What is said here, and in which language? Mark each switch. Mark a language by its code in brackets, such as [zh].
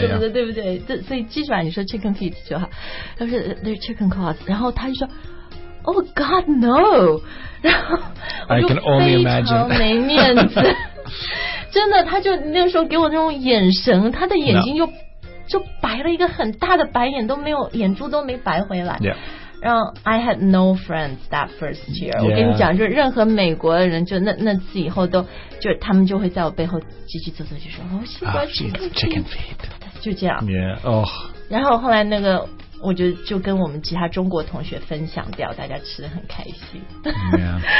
[zh] 什么的对不对这所以鸡爪你说 [en] chicken feet [zh] 就好他说 [en] they are chicken claws [zh] 然后他就说 [en] oh god no [zh] 然后我就非常没面子真的他就那时候给我那种眼神他的眼睛就、 [en] no. [zh] 就白了一个很大的白眼都没有眼珠都没白回来、 [en] yeah. [zh] 然后 [en] I had no friends that first year、 yeah. [zh] 我跟你讲就任何美国的人就 那次以后都就他们就会在我背后叽叽嘖嘖就说、 [en] oh, she's chicken feet [zh] 就这样 [en] yeah,、oh. [zh] 然后后来那个我就跟我们其他中国同学分享掉大家吃得很开心、 [en] yeah.